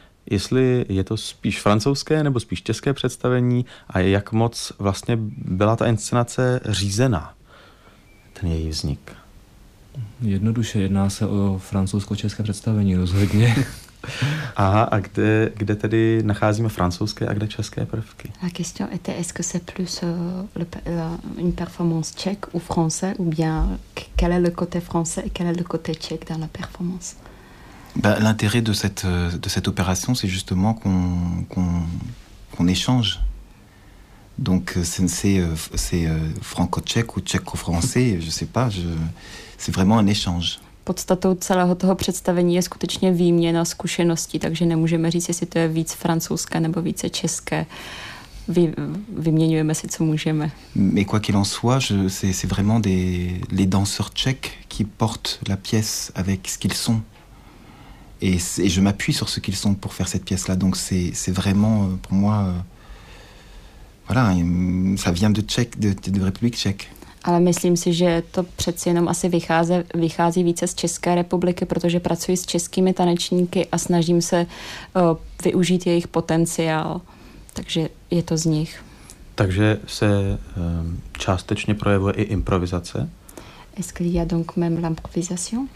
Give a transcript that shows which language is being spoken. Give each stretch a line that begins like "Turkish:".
Czech: Jestli je to spíš francouzské nebo spíš české představení a jak moc vlastně byla ta inscenace řízená, ten její vznik? Jednoduše, jedná se o francouzsko-české představení, rozhodně. Aha, a kde tedy nacházíme francouzské a kde české prvky?
French: La question était, est-ce que c'est plus une performance tchèque ou français, ou bien quel est le côté français et quel est le côté tchèque dans la performance? Ben, l'intérêt de cette opération, c'est justement qu'on échange. Donc, c'est franco-tchèque ou tchèque-français, je sais pas, c'est vraiment un échange.
Czech: Podstatou celého toho představení je skutečně výměna zkušeností, takže nemůžeme říct, jestli to je víc francouzské nebo více české. Vyměňujeme si, co můžeme.
French: Mais quoi qu'il en soit, c'est vraiment les danseurs tchèques qui portent la pièce avec ce qu'ils sont. Et je m'appuie sur ce qu'ils sont pour faire cette pièce-là. Donc c'est vraiment pour moi, voilà, ça vient de Tchèque, de République Tchèque.
Czech: Ale myslím si, že to přeci jenom asi vychází více z České republiky, protože pracuji s českými tanečníky a snažím se využít jejich potenciál. Takže je to z nich. Takže se částečně projevuje i improvizace?
French: Est-ce qu'il y a donc même l'improvisation?